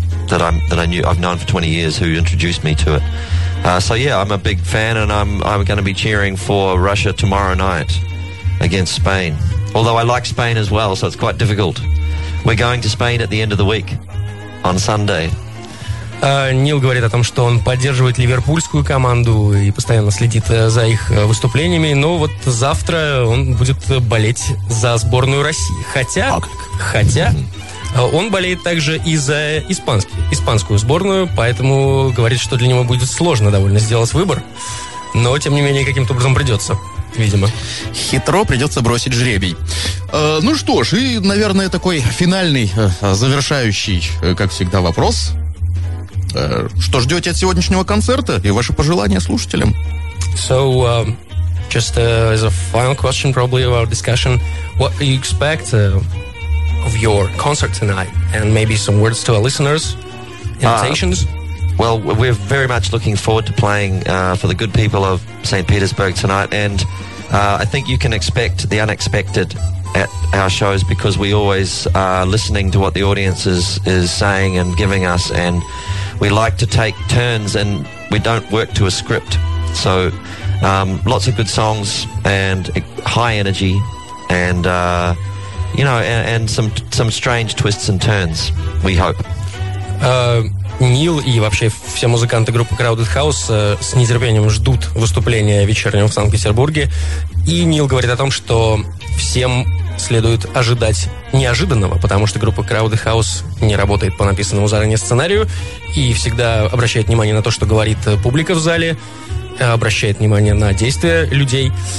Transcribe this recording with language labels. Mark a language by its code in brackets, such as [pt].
[en] That I've known for 20 years, who introduced me to it. So yeah, I'm a big fan, and I'm going to be cheering for Russia tomorrow night against Spain. Although I like Spain as well, so it's quite difficult. We're going to Spain at the end of the week on Sunday. [ru] Нил говорит о том, что он поддерживает ливерпульскую команду и постоянно следит за их выступлениями. Но вот завтра он будет болеть за сборную России. Хотя. Он болеет также и за испанскую сборную, поэтому говорит, что для него будет сложно довольно сделать выбор. Но, тем не менее, каким-то образом придется, видимо. Хитро придется бросить жребий. Ну что ж, и, наверное, такой финальный, завершающий, как всегда, вопрос. Что ждете от сегодняшнего концерта и ваши пожелания слушателям? [en] So, just as a final question probably of our discussion, what do you expect... of your concert tonight, and maybe some words to our listeners, invitations? Well, we're very much looking forward to playing for the good people of St. Petersburg tonight, and I think you can expect the unexpected at our shows, because we always are listening to what the audience is saying and giving us, and we like to take turns, and we don't work to a script. So lots of good songs and high energy and... You know, and some strange twists and turns, we hope. [ru] Нил и вообще все музыканты группы Crowded House с нетерпением ждут выступления вечернего в Санкт-Петербурге. И Нил говорит о том, что всем следует ожидать неожиданного, потому что группа Crowded House не работает по написанному заранее сценарию и всегда обращает внимание на то, что говорит публика в зале, обращает внимание на действия людей.